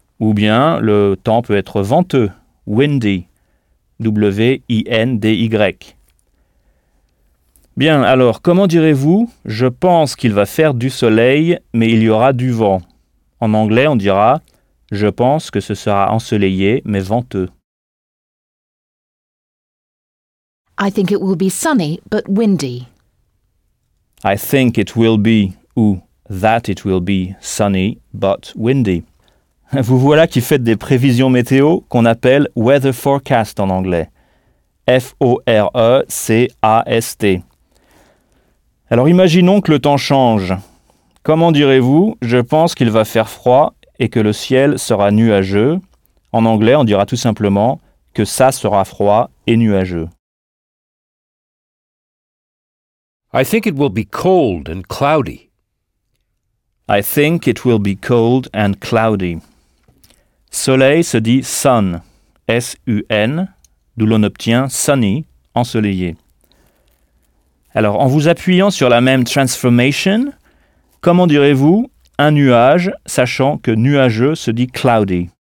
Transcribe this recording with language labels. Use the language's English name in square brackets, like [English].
[French] Ou bien, le temps peut être venteux, windy, W-I-N-D-Y. Bien, alors, comment direz-vous « je pense qu'il va faire du soleil, mais il y aura du vent » ? En anglais, on dira « je pense que ce sera ensoleillé, mais venteux ». [English] I think it will be sunny, but windy. I think it will be, ou that it will be sunny, but windy. [French] Vous voilà qui faites des prévisions météo qu'on appelle « weather forecast » en anglais. F-O-R-E-C-A-S-T. Alors imaginons que le temps change. Comment direz-vous « je pense qu'il va faire froid et que le ciel sera nuageux » ? En anglais, on dira tout simplement « que ça sera froid et nuageux ». [English] I think it will be cold and cloudy. I think it will be cold and cloudy. [French] Soleil se dit sun, S-U-N, d'où l'on obtient sunny, ensoleillé. Alors, en vous appuyant sur la même transformation, comment direz-vous un nuage, sachant que nuageux se dit cloudy?